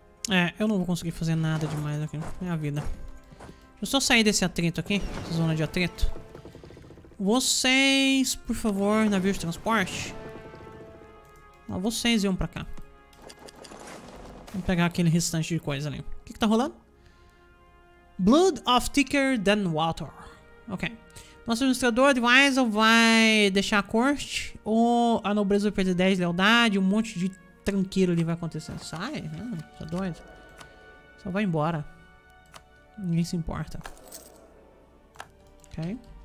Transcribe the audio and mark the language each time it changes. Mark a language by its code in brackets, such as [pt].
[pt] É, eu não vou conseguir fazer nada demais aqui. Minha vida. Deixa eu só sair desse atrito aqui. Essa zona de atrito. Vocês, por favor, navio de transporte. Ah, vocês iam pra cá. Vamos pegar aquele restante de coisa ali. O que que tá rolando? [en] Blood of thicker than water. [pt] Ok. Nosso administrador de Weisel vai deixar a corte. Ou a nobreza vai perder 10 de lealdade. Um monte de tranqueiro ali vai acontecer. Sai, tá doido. Só vai embora. Ninguém se importa. Ok.